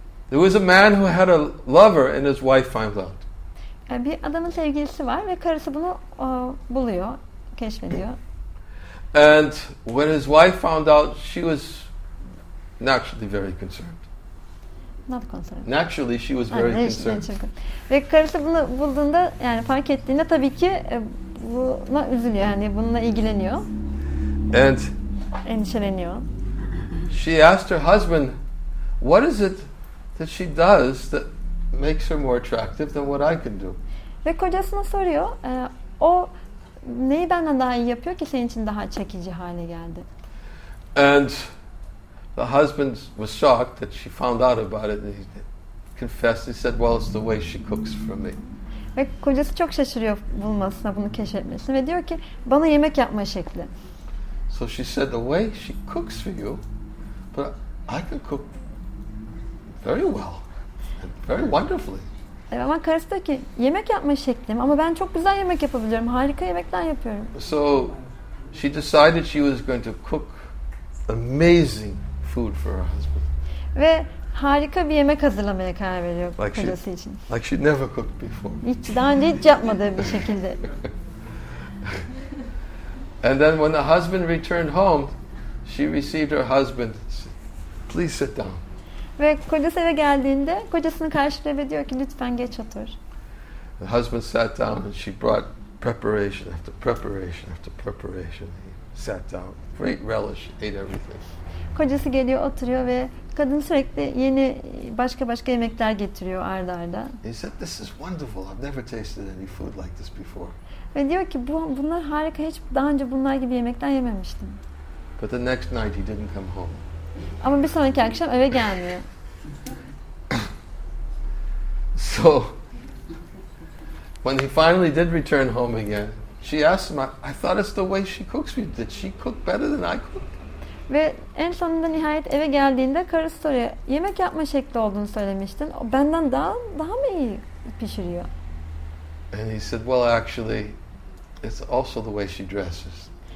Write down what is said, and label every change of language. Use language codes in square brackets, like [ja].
[en] There was a man who had a lover and his wife finds out. [tr] Bir adamın sevgilisi var ve karısı bunu buluyor, keşfediyor. [en] And when his wife found out, she was naturally very concerned. Not concerned. Naturally she was very concerned. [tr] Ve karısı bunu bulduğunda yani fark ettiğinde tabii ki buna üzülüyor yani bununla ilgileniyor. [en] And [tr] endişeleniyor. [en] She asked her husband, what is it that she does that makes her more attractive than what I can do? [tr] Ve kocasına soruyor, o neyi benden daha iyi yapıyor ki senin için daha çekici hale geldi? [en] And the husband was shocked that she found out about it. And he confessed. He said, "Well, it's the way she cooks for me." [tr] Ve kocası çok şaşırıyor bulmasına, bunu keşfetmesine ve diyor ki, "Bana yemek yapma şekli." [en] So she said, "The way she cooks for you, but I can cook very well, and very wonderfully." [tr] Ama karısı diyor ki, "Yemek yapma şeklim, ama ben çok güzel yemek yapabiliyorum, harika yemekler yapıyorum." [en] So she decided she was going to cook amazing food for her husband. [tr] Ve harika bir yemek hazırlamaya karar veriyor [en] like [tr] kocası [en] she, [tr] için. [en] Like she never cooked before. [tr] Hiç daha önce hiç yapmadığı bir şekilde. [en] And then when the husband returned home, she received her husband. "Please sit down." [tr] Ve kocası eve geldiğinde kocasını karşılıyor ve diyor ki, "Lütfen geç otur." [en] The husband sat down and she brought preparation after preparation after preparation. He sat down, great relish, ate everything. [tr] Kocası geliyor, oturuyor ve kadın sürekli yeni başka başka yemekler getiriyor arda arda. [en] He said, "This is wonderful. I've never tasted any food like this before." [tr] Ve diyor ki, bunlar harika, hiç daha önce bunlar gibi yemekler yememiştim. [en] But the next night he didn't come home. [tr] Ama bir sonraki akşam eve gelmiyor. [en] So when he finally did return home again, she asked him, "I thought it's the way she cooks me. Did she cook better than I cook?" [tr] Ve en sonunda nihayet eve geldiğinde karısı soruyor, "Yemek yapma şekli olduğunu söylemiştin. O benden daha mı iyi pişiriyor?" [en] And he said, "Well, actually, it's also the way she dresses."